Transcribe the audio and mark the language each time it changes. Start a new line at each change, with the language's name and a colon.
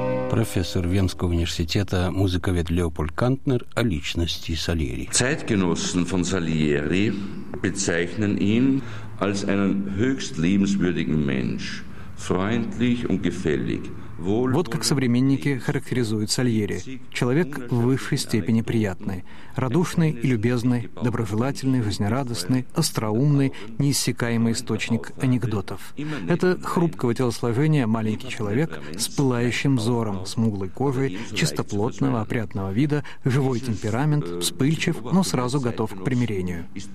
Russian: Профессор Венского университета, музыковед Леопольд Кантнер о личности Сальери.
German: Zeitgenossen von Salieri bezeichnen ihn als einen höchst liebenswürdigen Mensch, freundlich und gefällig.
Russian: Вот как современники характеризуют Сальери. Человек в высшей степени приятный. Радушный и любезный, доброжелательный, жизнерадостный, остроумный, неиссякаемый источник анекдотов. Это хрупкого телосложения маленький человек с пылающим взором, смуглой кожей, чистоплотного, опрятного вида, живой темперамент, вспыльчив, но сразу готов к примирению.